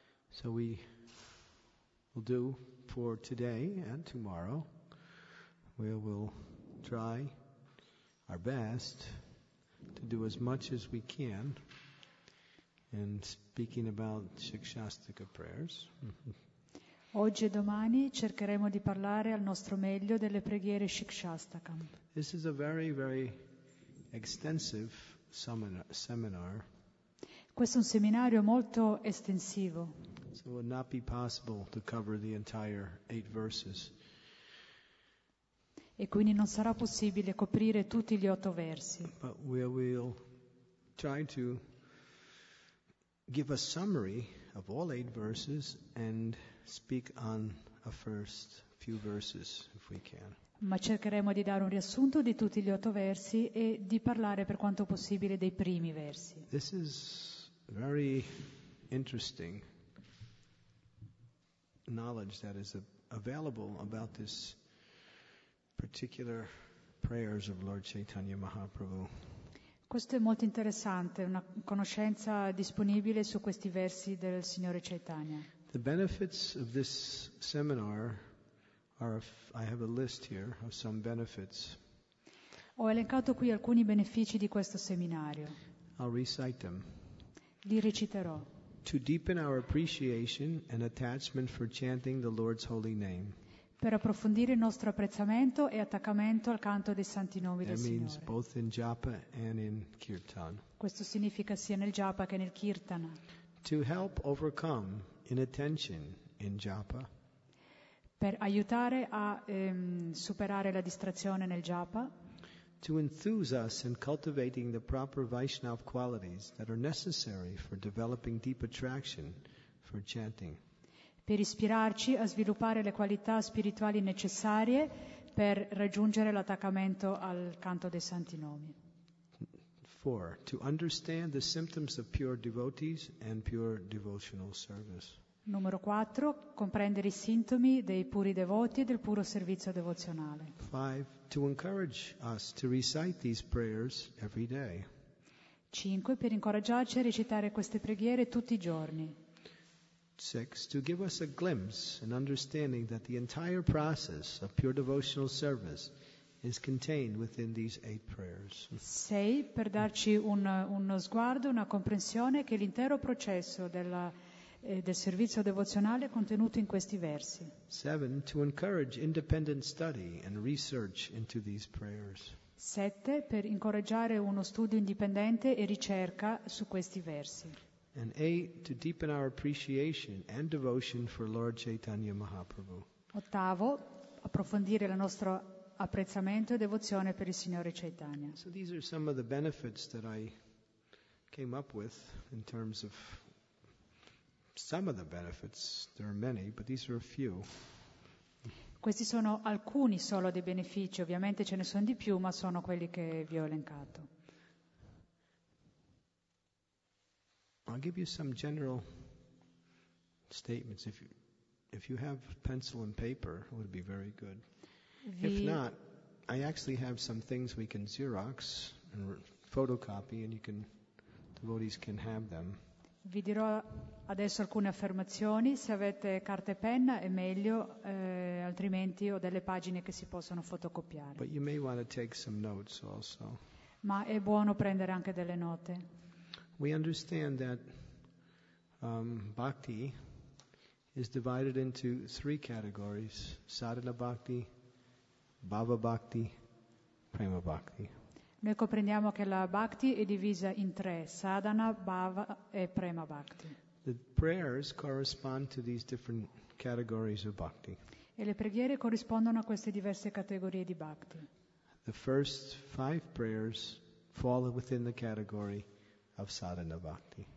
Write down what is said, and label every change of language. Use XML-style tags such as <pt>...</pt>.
<en>So we will do for today and tomorrow. We will try our best to do as much as we can in speaking about Shikshastika prayers.</en> <it>Oggi e domani cercheremo di parlare al nostro meglio delle preghiere Shikshastaka.</it> <en>This is a very, very extensive seminar.</en> <it>Questo è un seminario molto estensivo.</it> <en>So it would not be possible to cover the entire 8 verses.</en> <it>E quindi non sarà possibile coprire tutti gli 8 versi.</it> <en>But we will try to give a summary of all 8 verses and speak on the first few verses if we can.</en> <it>Ma cercheremo di dare un riassunto di tutti gli 8 versi e di parlare per quanto possibile dei primi versi.</it> <en>This is very interesting knowledge that is available about this particular prayers of Lord Chaitanya Mahaprabhu.</en> <it>Questo è molto interessante, una conoscenza disponibile su questi versi del Signore Chaitanya.</it> <en>The benefits of this seminar are, I have a list here of some benefits.</en> <it>Ho elencato qui alcuni benefici di questo seminario.</it> <en>I'll recite them.</en> <it>Li reciterò.</it> <en>To deepen our appreciation and attachment for chanting the Lord's holy name.</en> <it>Per approfondire il nostro apprezzamento e attaccamento al canto dei santi nomi</it> <en>that</en> <it>del</it> <en>means</en> <it>Signore.</it> <en>Both in japa and in kirtan.</en> <it>Questo significa sia nel japa che nel kirtana.</it> <en>To help overcome inattention in japa.</en> <it>Per aiutare a superare la distrazione nel japa.</it> <en>To enthuse us in cultivating the proper Vaishnav qualities that are necessary for developing deep attraction for chanting.</en> <it>Per ispirarci a sviluppare le qualità spirituali necessarie per raggiungere l'attaccamento al canto dei santi nomi.</it> <en>4. To understand the symptoms of pure devotees and pure devotional service.</en> <it>Numero 4. Comprendere i sintomi dei puri devoti e del puro servizio devozionale.</it> <en>5. To encourage us to recite these prayers every day.</en> <it>5. Per incoraggiarci a recitare queste preghiere tutti i giorni.</it> <en>6. To give us a glimpse and understanding that the entire process of pure devotional service is contained within these eight prayers.</en> <it>Sei per darci uno sguardo, una comprensione che l'intero processo del servizio devozionale è contenuto in questi versi.</it> <en>7, to encourage independent study and research into these prayers.</en> <it>7, per incoraggiare uno studio indipendente e ricerca su questi versi.</it> <en>And 8, to deepen our appreciation and devotion for Lord Chaitanya Mahaprabhu.</en> <it>8, approfondire la nostra apprezzamento e devozione per il Signore Chaitanya.</it> <en>So these are some of the benefits that I came up with in terms of some of the benefits. There are many, but these are a few.</en> <it>Questi sono alcuni solo dei benefici, ovviamente ce ne sono di più, ma sono quelli che vi ho elencato.</it> <en>I'll give you some general statements. If you have pencil and paper, it would be very good. If not, I actually have some things we can Xerox and photocopy, and you can, devotees can have them.</en> <it>Vi dirò adesso alcune affermazioni. Se avete carta e penna è meglio, altrimenti ho delle pagine che si possono fotocopiare.</it> <en>But you may want to take some notes also.</en> <it>Ma è buono prendere anche delle note.</it> <en>We understand that bhakti is divided into three categories: sadhana bhakti, bhava bhakti, prema bhakti.</en> <it>Noi comprendiamo che la bhakti è divisa in tre: sadhana, bhava e prema bhakti.</it> <en>The prayers correspond to these different categories of bhakti.</en> <it>E le preghiere corrispondono a queste diverse categorie di bhakti.</it> <en>The first five prayers fall within the category of sadhana bhakti.</en>